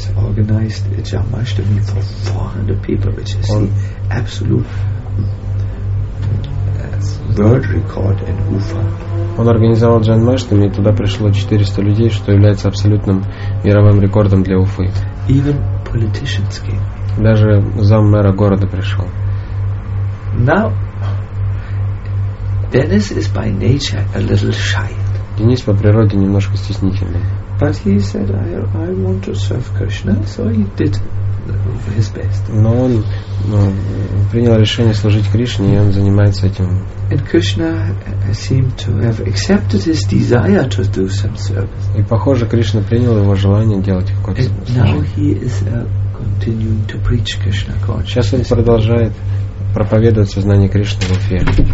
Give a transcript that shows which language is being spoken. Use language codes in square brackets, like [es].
[en] He organized a Jamashtami for 400 people, which is an absolute world record in Ufa. [ru] Он организовал Джанмаштами, и туда пришло 400 людей, что является абсолютным мировым рекордом для Уфы. [en] Even politicians came. [ru] Даже зам мэра города пришел. [en] Now, Dennis is by nature a little shy. [ru] Денис по природе немножко стеснительный. [en] But he said, I want to serve Krishna, so he did his best. [ru] Но он принял решение служить Кришне, и он занимается этим. [en] And Krishna seemed to have accepted his desire to do some service. [ru] И похоже, Кришна принял его желание делать какое-то служение. [en] And now he is continuing to preach Krishna consciousness. [ru] Сейчас он продолжает проповедовать сознание Кришны в Уфе.